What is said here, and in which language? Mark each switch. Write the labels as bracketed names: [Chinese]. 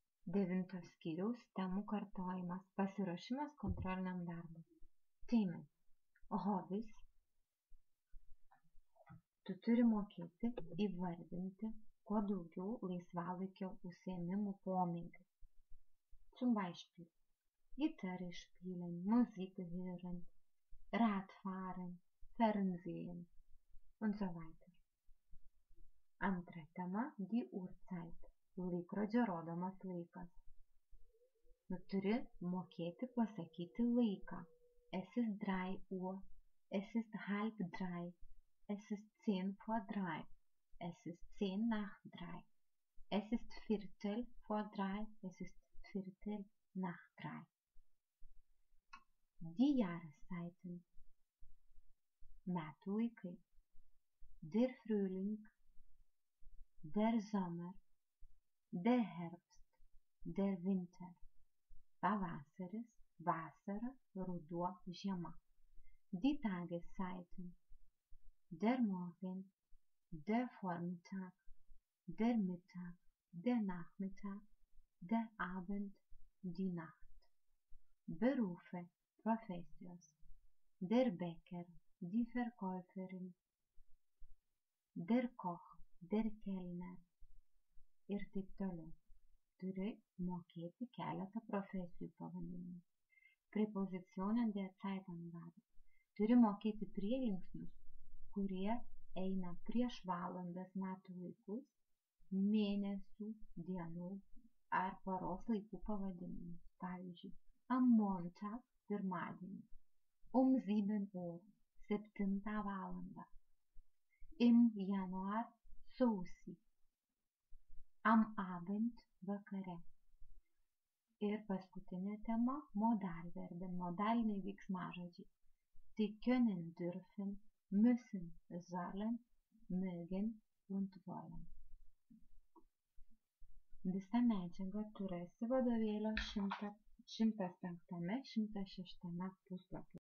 [Lithuanian] Devinto skyriaus temų kartojimas. Pasiruošimas kontroliniam darbui. Teime. Hobis. Tu turi mokėti įvardinti kuo daugiau laisvalaikio užsiėmimų pomėgių. [German] Zum Beispiel. Gitarą spielen, Musik hören, Radfahren, Fernsehen und so weiter. [Lithuanian] Antra tema – [German] die Uhrzeit, [Lithuanian] laikrodžio rodomas laikas. Nu, turi mokėti pasakyti laiką. [German] Es ist 3 Uhr, es ist halb 3, es ist 10 vor 3, es ist 10 nach 3, es ist Viertel vor 3, es ist Viertel nach 3. Die Jahreszeiten. [Lithuanian] Metų laikai. [German] Der Frühling. Der Sommer, der Herbst, der Winter, [Lithuanian] Pavasaris, Vasara, Ruduo, Žiema. [German] Die Tageszeiten, der Morgen, der Vormittag, der Mittag, der Nachmittag, der Abend, die Nacht. Berufe, Professors, der Bäcker, die Verkäuferin, der Koch. Der Kellner. [Lithuanian] Ir taip toliau. Turi mokėti keletą profesijų pavadinimų. [German] Prepozicionen der Zeiten [Lithuanian] vardu. Turi mokėti prielinksnius, kurie eina prieš valandas metų laikus, mėnesių, dienų ar paros laikų pavadinimų. Pavyzdžiui, [German] am Montag [Lithuanian] pirmadienį, [German] 7 Uhr, [Lithuanian] 7 valandą. [German] Im Januar [Lithuanian] sausį, [German] am Abend [Lithuanian] vakare. Ir paskutinė tema – modalverbė, modaliniai veiksmažodžiai. [German] Tai können, dürfen, müssen, sollen, mögen und wollen. [Lithuanian] Visą medžiagą turėsi vadovėlio 105, 106 puslapį.